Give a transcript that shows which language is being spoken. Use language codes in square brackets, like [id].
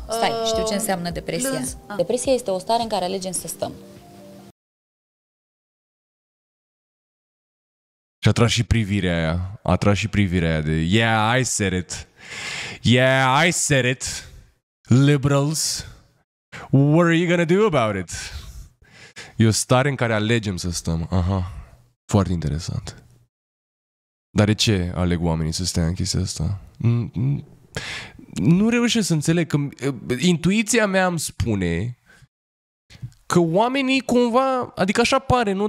[ro] Stai, știu ce înseamnă depresia. Depresia este o stare în care alegem să stăm. Și a tras și privirea aia. A tras și privirea aia de [en] Yeah, I said it. Liberals, what are you gonna do about it? [ro] E o stare în care alegem să stăm. Aha, foarte interesant. Dar de ce aleg oamenii să stea în chestia asta? Nu reușesc să înțeleg că intuiția mea îmi spune că oamenii cumva, adică așa pare, nu?